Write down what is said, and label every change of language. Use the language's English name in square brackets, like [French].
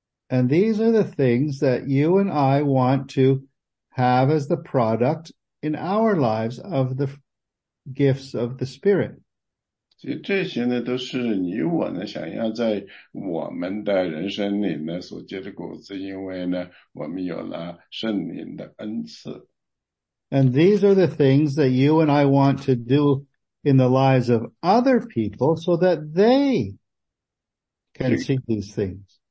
[English] And these are the things that you and I want to have as the product in our lives of the gifts of the Spirit. [Chinese] 这些呢，都是你我呢，想要在我们的人生里呢所结的果子，因为呢，我们有了圣灵的恩赐。 [English] And these are the things that you and I want to do in the lives of other people so that they can see these things.